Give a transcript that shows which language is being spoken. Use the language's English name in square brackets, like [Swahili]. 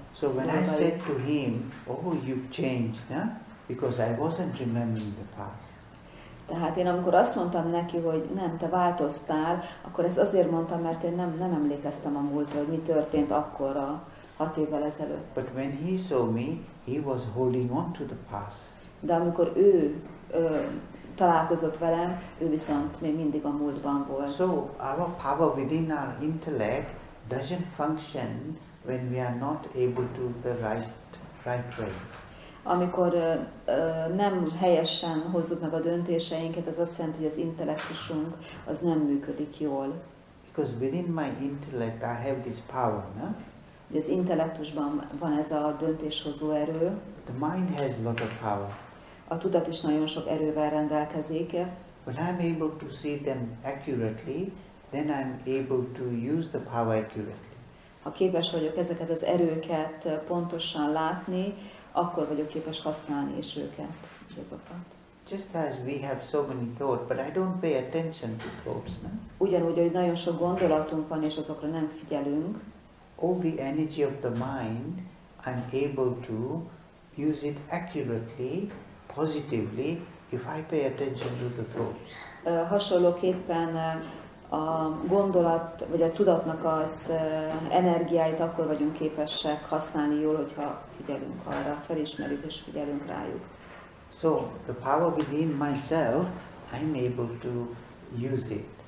[English] So when I said to him, "Oh, you've changed, na?" Because I wasn't remembering the past. [Hungarian] Tehát én amikor azt mondtam neki, hogy nem, te változtál, akkor ezt azért mondtam, mert én nem emlékeztem a múltra, hogy mi történt akkorra, 6 évvel ezelőtt. [English] But when he saw me, he was holding on to the past. [Hungarian] De amikor ő találkozott velem, ő viszont még mindig a múltban volt. [English] So our power within our intellect doesn't function when we are not able to the right way. [Hungarian] Amikor nem helyesen hozzuk meg a döntéseinket, az azt jelenti, hogy az intellektusunk az nem működik jól. [English] Because within my intellect I have this power, no? [Hungarian] Ugye az intellektusban van ez a döntéshozó erő. [English] The mind has a lot of power. [Hungarian] A tudat is nagyon sok erővel rendelkezik. [English] When I'm able to see them accurately, then I'm able to use the power accurately. [Hungarian] Ha képes vagyok ezeket az erőket pontosan látni, akkor vagyok képes használni is őket, azokat. [English] Just as we have so many thoughts, but I don't pay attention to thoughts, no? [Hungarian] Ugyanúgy, hogy nagyon sok gondolatunk van, és azokra nem figyelünk. [English] All the energy of the mind, I'm able to use it accurately, positively, if I pay attention to the thoughts. [Hungarian] Hasonlóképpen a gondolat, vagy a tudatnak az energiáit akkor vagyunk képesek használni jól, hogyha figyelünk arra, felismerjük és figyelünk rájuk. [English] So, the power within myself, I'm able to use it.